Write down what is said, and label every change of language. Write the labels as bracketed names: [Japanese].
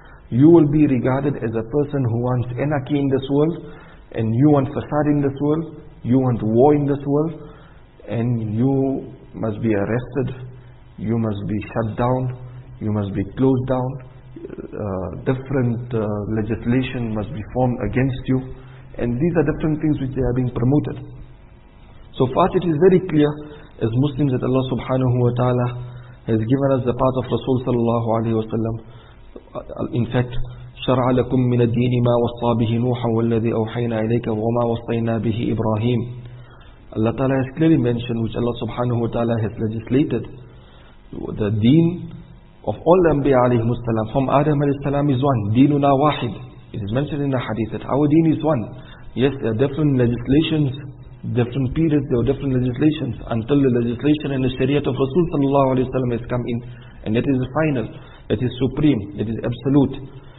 [English] You will be regarded as a person who wants anarchy in this world, and you want fasad in this world, you want war in this world, and you must be arrested, you must be shut down, you must be closed down, different legislation must be formed against you, and these are different things which they are being promoted. So for us it is very clear as Muslims that Allah subhanahu wa ta'ala has given us the path of Rasul sallallahu alayhi wa sallam. In fact, [Arabic] شرع لكم من الدين ما وصى به نوح والذي أوحينا إليك وما وصينا به إبراهيم. [English] Allah Ta'ala has clearly mentioned, which Allah Subhanahu wa Ta'ala has legislated, the deen of all Anbiya alayhim as-salam from Adam alayhi as-salam is one. [Arabic] Deenuna wahid. [English] It is mentioned in the hadith that our deen is one. Yes, there are different legislations, different periods, there are different legislations until the legislation and the Shariat of Rasul sallallahu alayhi wasallam has come in, and that is the final, that is supreme, that is absolute.